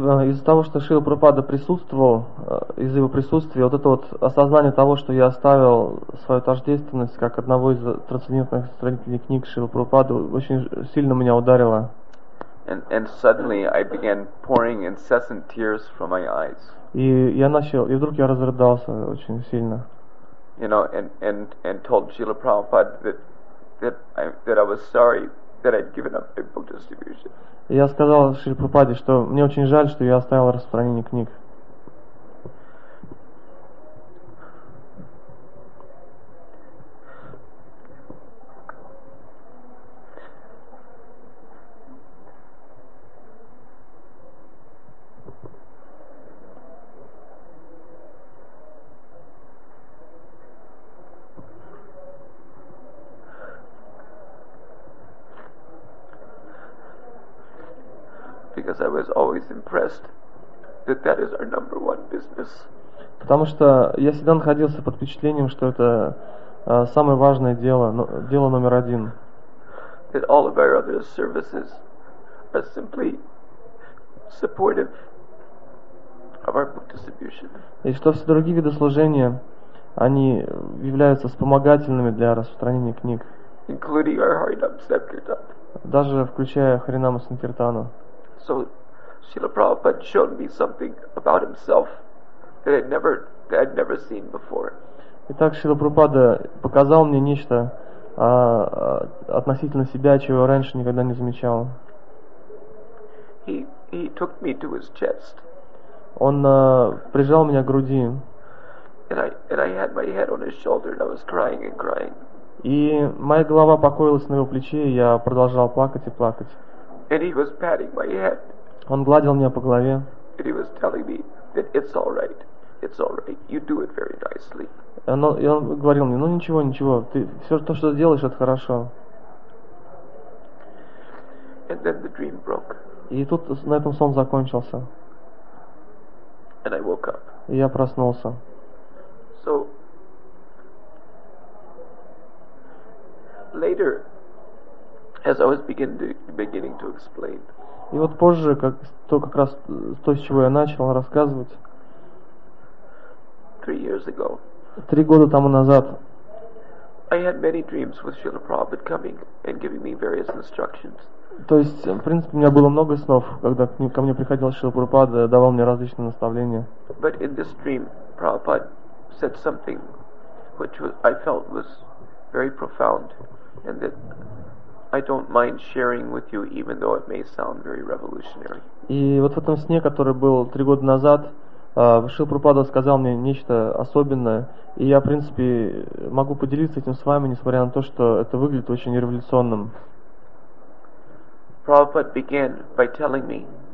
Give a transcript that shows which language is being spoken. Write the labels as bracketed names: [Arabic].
[Russian] Из-за того, что Шрила Прабхупада присутствовал, из-за его присутствия, вот это вот осознание того, что я оставил свою тождественность как одного из трансцендентных строителей книг Шрила Прабхупады, очень сильно меня ударило. [English] And suddenly I began pouring incessant tears from my eyes. [Russian] И вдруг я разрыдался очень сильно. [English] You know, and told Шрила Прабхупада that I was sorry that I'd given up my book distribution. [Russian] Я сказал Шриле Прабхупаде, что мне очень жаль, что я оставил распространение книг. [English] Because I was always impressed that that is our number one business. [Russian] Потому что я всегда находился под впечатлением, что это самое важное дело, дело номер один. [English] That all of our other services are simply supportive of our book distribution. [Russian] И что все другие виды служения, они являются вспомогательными для распространения книг. [English] Including our Харинам Санкиртан. [Russian] Даже включая Харинаму Санкиртану. [English] So Srila Prabhupada showed me something about himself that I'd never seen before. [Russian] Итак, Шрила Прабхупада показал мне нечто относительно себя, чего я раньше никогда не замечал. [English] He took me to his chest. [Russian] Он прижал меня к груди. [English] And I had my head on his shoulder and I was crying. [Russian] И моя голова покоилась на его плече, и я продолжал плакать. [English] And he was patting my head. [Russian] Он гладил меня по голове. [English] And he was telling me that it's all right. It's all right. You do it very nicely. [Russian] Он говорил мне: ничего. Ты все то, что делаешь, это хорошо. [English] And then the dream broke. [Russian] И тут на этом сон закончился. [English] And I woke up. [Russian] И я проснулся. [English] So later, as I was beginning to explain. [Russian] И вот позже, как раз то, с чего я начал рассказывать. [English] 3 years ago. [Russian] 3 года тому назад. [English] I had many dreams with Srila Prabhupada coming and giving me various instructions. [Russian] То есть, в принципе, у меня было много снов, когда ко мне приходил Шрила Прабхупада, давал мне различные наставления. [English] But in this dream, Prabhupada said something which I felt was very profound, and that I don't mind sharing with you, even though it may sound very revolutionary. [Russian] И вот в этом сне, который был 3 года назад, Шрила Прабхупада сказал мне нечто особенное, и я, в принципе, могу поделиться этим с вами, несмотря на то, что это выглядит очень революционным. [English] Prabhupada began by telling me.